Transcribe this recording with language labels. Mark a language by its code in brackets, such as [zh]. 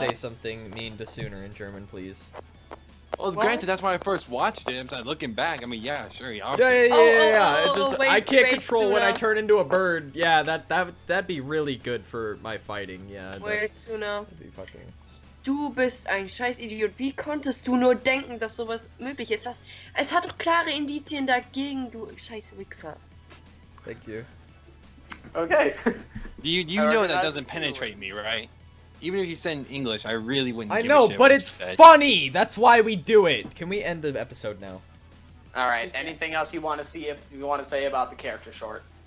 [en] Say something mean to Sooner in German, please. Well, granted, that's when I first watched it. I'm looking back, I mean, yeah, sure, he obviously... Yeah. I can't control when I turn into a bird. Yeah, that'd be really good for my fighting, yeah. Wait, Sooner. That'd be fucking... [de] Du bist ein scheiß Idiot. Wie konntest du nur denken, dass sowas möglich ist? Es hat doch klare Indizien dagegen, du scheiß Wichser. [en] Thank you. Okay. Do you know that doesn't penetrate me, right? Even if you said in English, I really wouldn't give a shit. I know, but it's funny! That's why we do it! Can we end the episode now? Alright, anything else you want to say about the character short?